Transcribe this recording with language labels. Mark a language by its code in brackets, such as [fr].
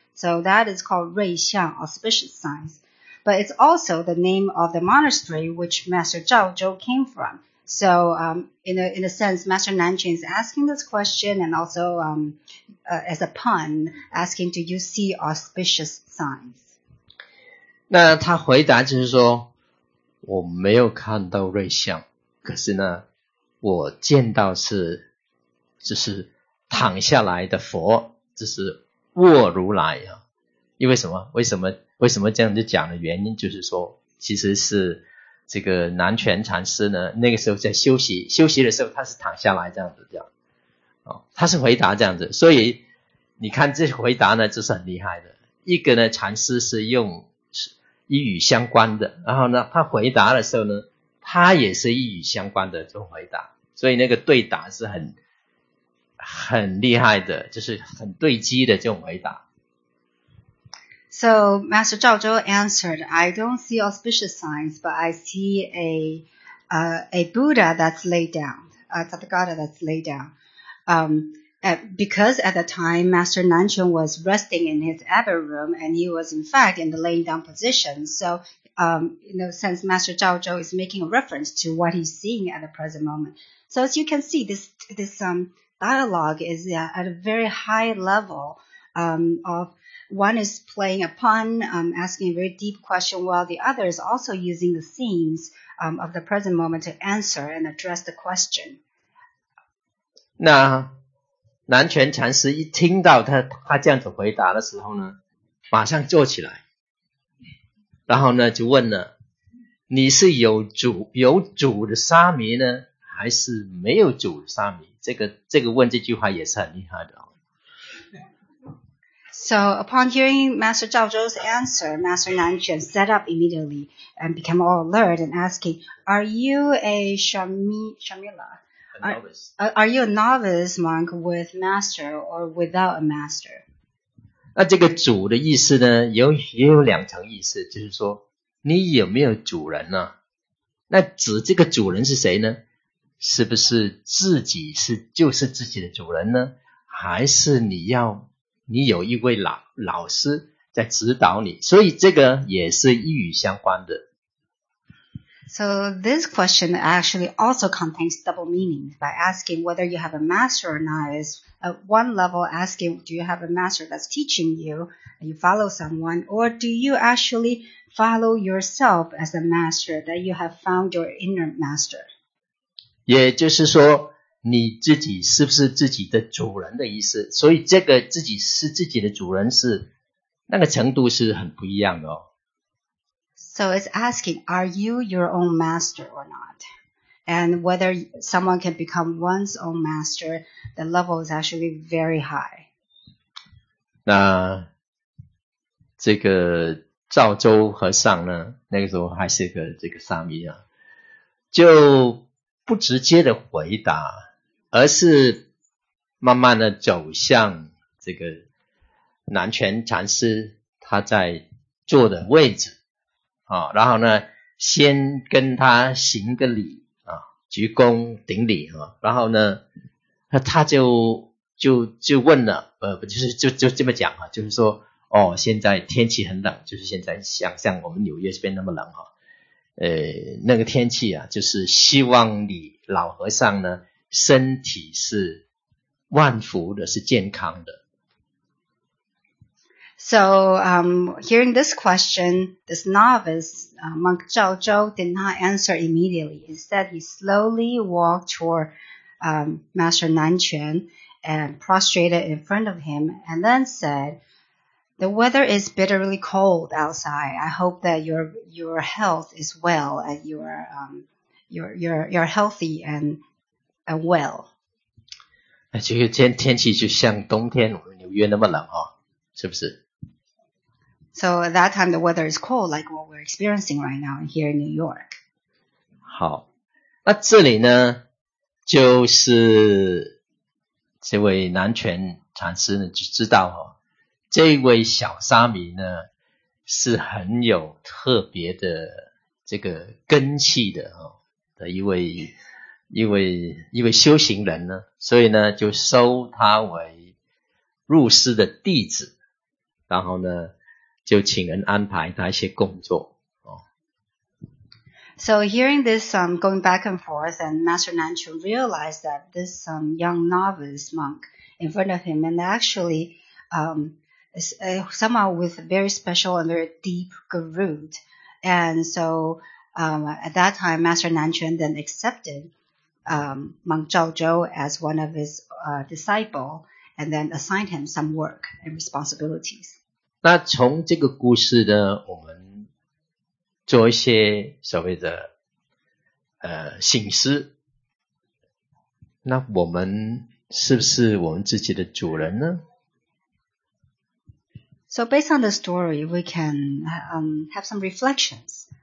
[en] So that is called 瑞相, auspicious signs. But it's also the name of the monastery which Master Zhao Zhou came from. So in a sense, Master Nan Quan is asking this question and also as a pun, asking, do you see auspicious signs? [zh] 那他回答就是说，我没有看到瑞相，可是呢，我见到是就是躺下来的佛，就是卧如来啊。因为什么？为什么这样子讲的原因就是说，其实是这个南泉禅师呢，那个时候在休息的时候，他是躺下来这样，他是回答这样子。所以你看这回答呢，就是很厉害的。一个呢，禅师是用一语相关的，然后呢，他回答的时候呢，他也是一语相关的就回答，所以那个对答是很厉害的，就是很对机的这种回答。 [en] So Master Zhao Zhou answered, I don't see auspicious signs, but I see a Buddha that's laid down, a Tathagata that's laid down. Because at the time, Master Nanchun was resting in his abbey room, and he was, in fact, in the laying down position. So, in a sense, Master Zhao Zhou is making a reference to what he's seeing at the present moment. So as you can see, this dialogue is at a very high level of one is playing a pun, asking a very deep question, while the other is also using the themes of the present moment to answer and address the question. [zh] 那南泉禅师一听到 他这样子回答的时候呢，马上坐起来，然后呢就问了，你是有主的沙弥呢，还是没有主的沙弥？这个问这句话也是很厉害的。 [en] So upon hearing Master Zhao Zhou's answer, Master Nanchun sat up immediately and became all alert and asking, are you a Shamila? Are you a novice monk with master or without a master? [zh] 那这个主的意思呢，也有两层意思，就是说你有没有主人呢？那指这个主人是谁呢？是不是自己就是自己的主人呢？还是你有一位老师在指导你？所以这个也是一语相关的。 [en] So this question actually also contains double meaning by asking whether you have a master or not is at one level asking, do you have a master that's teaching you and you follow someone, or do you actually follow yourself as a master that you have found your inner master? [zh] 也就是说你自己是不是自己的主人的意思，所以这个自己是自己的主人是那个程度是很不一样的哦。 [en] So it's asking, are you your own master or not? And whether someone can become one's own master, the level is actually very high. [zh] 那这个赵州和尚呢，那个时候还是个这个沙弥啊，就不直接的回答，而是慢慢的走向这个南泉禅师他在坐的位置。哦、然后呢先跟他行个礼、啊、鞠躬顶礼、啊、然后呢他就问了就这么讲、啊、就是说哦，现在天气很冷，就是现在像我们纽约这边那么冷、啊、那个天气啊，就是希望你老和尚呢身体是万福的，是健康的。 [en] So, hearing this question, this novice, monk Zhao Zhou did not answer immediately. Instead, he slowly walked toward, Master Nanchun and prostrated in front of him and then said, the weather is bitterly cold outside. I hope that your health is well and you're healthy and well. [zh] 天气就像冬天我们纽约那么冷哦，是不是？ [en] So at that time, the weather is cold, like what we're experiencing right now here in New York. [zh] 好，那这里呢，就是这位南泉禅师呢，就知道、哦、这位小沙弥呢，是很有特别的这个根气的、哦、的一位修行人呢，所以呢，就收他为入师的弟子，然后呢，就请人安排他一些工作、哦、 [en] So hearing this going back and forth, and Master Nanchun realized that this young novice monk in front of him and actually is somehow with a very special and very deep guru. And so at that time, Master Nanchun then accepted monk Zhao Zhou as one of his disciples and then assigned him some work and responsibilities. [zh] 那从这个故事呢，我们做一些所谓的醒思。那我们是不是我们自己的主人呢 [en] ？So based on the story, we can have some reflections.